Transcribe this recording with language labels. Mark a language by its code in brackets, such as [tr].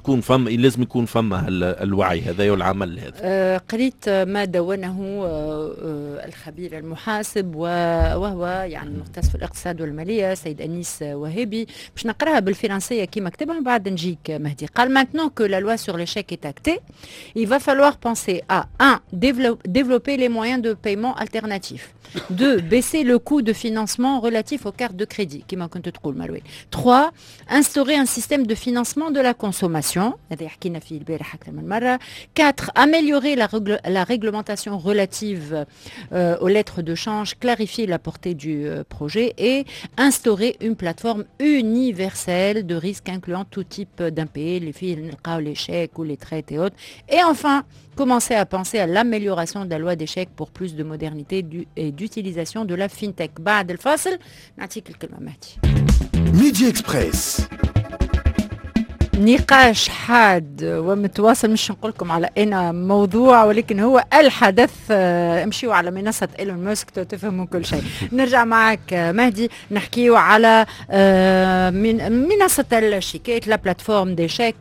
[ar] فلازم يكون فما الوعي هذا والعمل هذا. قريت ما دونه الخبير المحاسب وهو يعني مختص في الاقتصاد والماليه سيد انيس وهبي، باش نقراها بالفرنسيه كيما كتبها من بعد نجيك مهدي. [fr] قال maintenant que la loi sur l'échec est actée, il va falloir penser à 1 développer les moyens de paiement alternatifs, 2 baisser le coût de financement relatif aux cartes de crédit [ar] كيما كنت تقول مروي، [fr] 3 instaurer un système de financement de la consommation [ar] هذا حكينا فيه البارح اكثر من مره، [fr] 4 améliorer la réglementation relative aux lettres de change, clarifier la portée du projet et instaurer une plateforme universelle de risques incluant tout type d'impayés, les fils, les chèques ou les traites et autres. Et enfin, commencer à penser à l'amélioration de la loi des chèques pour plus de modernité et d'utilisation de la fintech. [ar] بعد الفاصل نعطيك الكلمة ماتي. Midi Express. نقاش حاد ومتواصل، مش نقولكم على انا موضوع، ولكن هو الحدث. امشيوا على منصة إيلون ماسك تفهموا كل شيء. نرجع معك مهدي نحكيوا على منصة الشيكات، [fr] لا بلاتفورم دي شيك.